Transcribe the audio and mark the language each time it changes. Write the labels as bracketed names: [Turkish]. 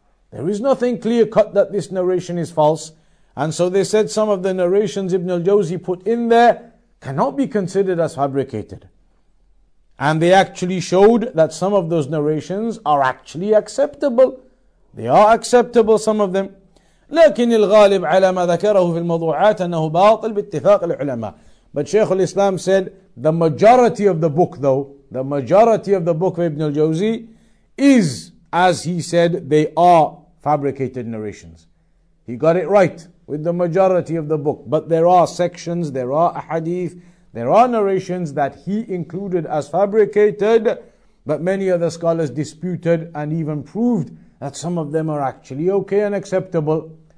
[English] There is nothing clear-cut that this narration is false. And so they said some of the narrations Ibn al-Jawzi put in there cannot be considered as fabricated. And they actually showed that some of those narrations are actually acceptable. They are acceptable, some of them. [Arabic] لكن الغالب على ما ذكره في الموضوعات أنه باطل باتفاق العلماء. [English] But Shaykh al-Islam said, the majority of the book of Ibn al-Jawzi is, as he said, they are fabricated narrations. He got it right with the majority of the book. But there are sections, there are ahadith, there are narrations that he included as fabricated, but many other scholars disputed and even proved that some of them are actually okay and acceptable.